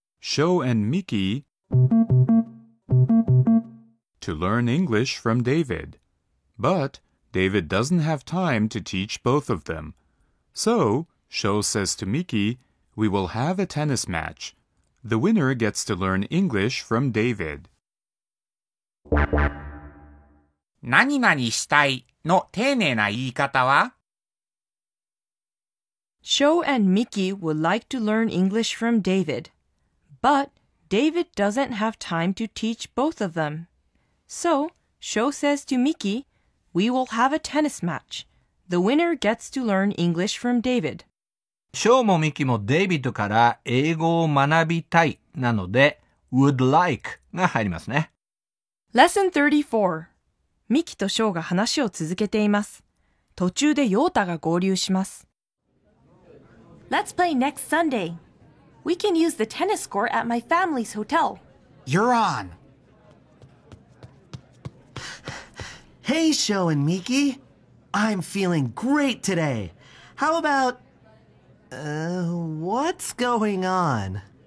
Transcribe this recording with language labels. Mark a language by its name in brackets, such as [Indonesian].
[English] Sho and Miki to learn English from David. But David doesn't have time to teach both of them. So, Sho says to Miki, we will have a tennis match. The winner gets to learn English from David. [Japanese] 何々したいの丁寧な言い方は? [English] Sho and Miki would like to learn English from David, but David doesn't have time to teach both of them. So, Sho says to Miki, we will have a tennis match. The winner gets to learn English from David. [Japanese] Sho もMiki もデイビッドから英語を学びたいなので、would like が入りますね。 [English] Lesson 34. [Japanese] Miki と Sho が話を続けています。途中でヨータが合流します。 [English] Let's play next Sunday. We can use the tennis court at my family's hotel. You're on. Hey, Sho and Miki. I'm feeling great today. How about... what's going on?